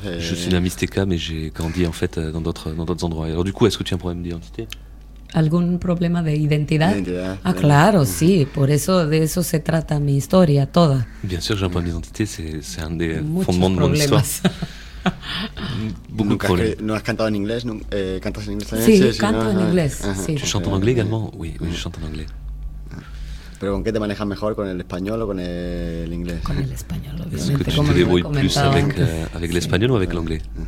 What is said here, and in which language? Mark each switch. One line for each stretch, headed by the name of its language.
French: Je suis la Mixteca, mais j'ai grandi en fait dans d'autres endroits. Alors du coup, est-ce que tu as un problème d'identité?
Spanish: ¿Algún problema de identidad? Identidad. Ah, claro, sí. Por eso, de eso se trata mi historia toda.
French: Bien sûr, j'ai un problème d'identité. C'est un des fondements de mon histoire.
Spanish: Muchos problemas.
French: Beaucoup de problèmes.
Spanish: ¿No has cantado en inglés? ¿Cantas en inglés también? Sí, canto en inglés.
French: ¿Tu chantes en anglais également? Oui, je chante en anglais.
Spanish: ¿Pero con qué te manejas mejor? ¿Con el español o con el inglés? Con el español, obviamente. ¿Es que tú
French: te débrouilles plus avec l'español o avec l'anglais?